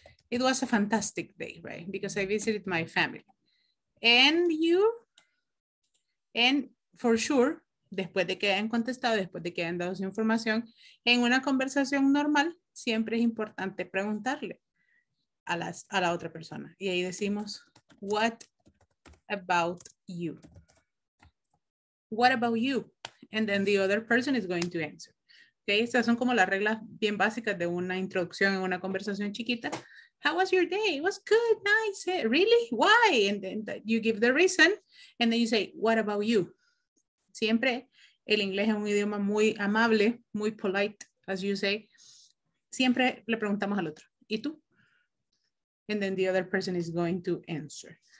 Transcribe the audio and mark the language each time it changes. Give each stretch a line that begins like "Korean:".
English: It was a fantastic day, right? Because I visited my family. And for sure,
Spanish: después de que hayan contestado, después de que hayan dado su información, en una conversación normal, siempre es importante preguntarle a la otra persona. Y ahí decimos,
English: what about you? What about you? And then the other person is going to answer.
Spanish: Okay, estas son como las reglas bien básicas de una introducción en una conversación chiquita.
English: How was your day? It was good, nice. Really? Why? And then you give the reason, and then you say, what about you?
Spanish: Siempre el inglés es un idioma muy amable, muy
English: polite, as you say.
Spanish: Siempre le preguntamos al otro, ¿y tú?
English: And then the other person is going to answer.